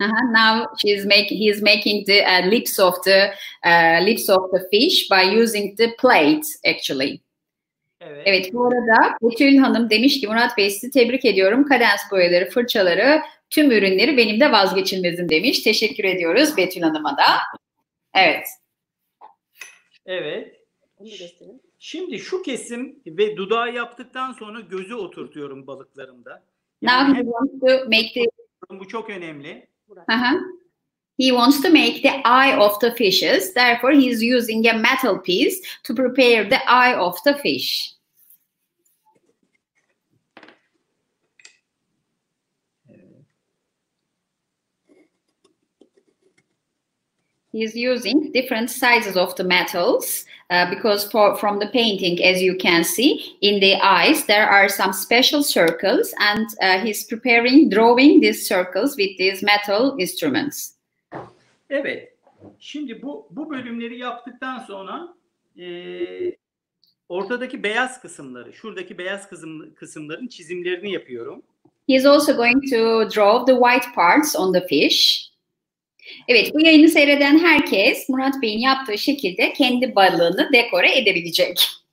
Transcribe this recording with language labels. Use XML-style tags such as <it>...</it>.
<en>Now he's making the lips of the fish by using the plate actually.</en> <tr>Evet. Evet, bu arada Betül Hanım demiş ki Murat Bey sizi tebrik ediyorum. Kadens boyaları, fırçaları, tüm ürünleri benim de vazgeçilmezim demiş. Teşekkür ediyoruz Betül Hanım'a da. Evet. Evet. Şimdi şu kesim ve dudağı yaptıktan sonra gözü oturtuyorum balıklarımda.</tr> <en>Yani now he wants to make the...</en> <tr>Bu çok önemli.</tr> <en>He wants to make the eye of the fishes. Therefore, he is using a metal piece to prepare the eye of the fish. He is using different sizes of the metals because from the painting, as you can see, in the eyes, there are some special circles and he's preparing, drawing these circles with these metal instruments.</en> <tr>Evet, şimdi bu bölümleri yaptıktan sonra ortadaki beyaz kısımları, şuradaki beyaz kısımların çizimlerini yapıyorum.</tr> <en>He's also going to draw the white parts on the fish.</en> <tr>Evet, bu yayını seyreden herkes Murat Bey'in yaptığı şekilde kendi balığını dekore edebilecek.</tr>